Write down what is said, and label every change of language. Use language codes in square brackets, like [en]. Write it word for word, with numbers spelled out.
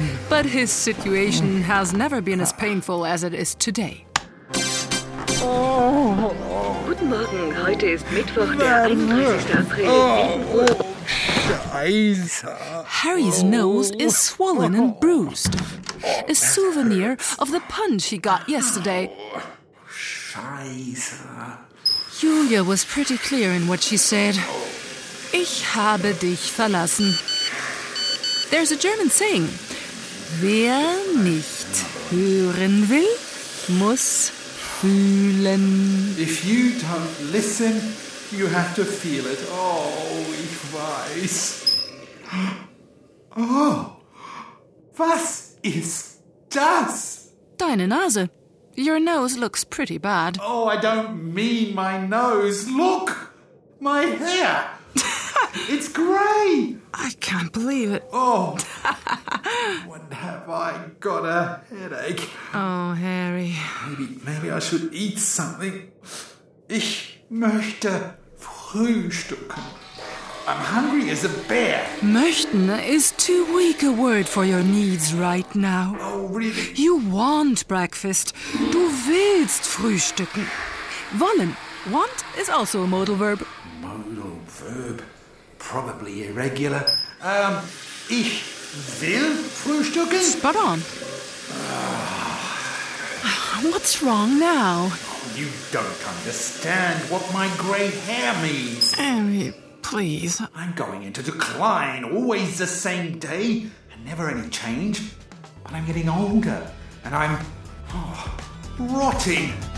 [en] But his situation has never been as painful as it is today. [de] Guten Morgen, heute ist Mittwoch, der einunddreißigste April. Oh, oh, Scheiße. [en] Harry's nose is swollen and bruised. A souvenir of the punch he got yesterday. [de] Scheiße. [en] Julia was pretty clear in what she said. [de] Ich habe dich verlassen. [en] There's a German saying. [de] Wer nicht hören will, muss fühlen. [en] If you don't listen, you have to feel it. [de] Oh, ich weiß. Oh, was ist das? Deine Nase. [en] Your nose looks pretty bad. Oh, I don't mean my nose. Look, my hair. It's grey. I can't believe it. Oh, when have I got a headache? Oh, Harry. Maybe, maybe I should eat something. [de] Ich möchte frühstücken. [en] I'm hungry as a bear. Möchten is too weak a word for your needs right now. Oh, really? You want breakfast. [de] Du willst frühstücken. Wollen. [en] Want is also a modal verb. Modal verb. Probably irregular. [de] Um, ich will frühstücken. [en] Spot on. What's wrong now? Oh, you don't understand what my grey hair means. Harry, please. I'm going into decline, always the same day, and never any change. But I'm getting older, and I'm oh, rotting.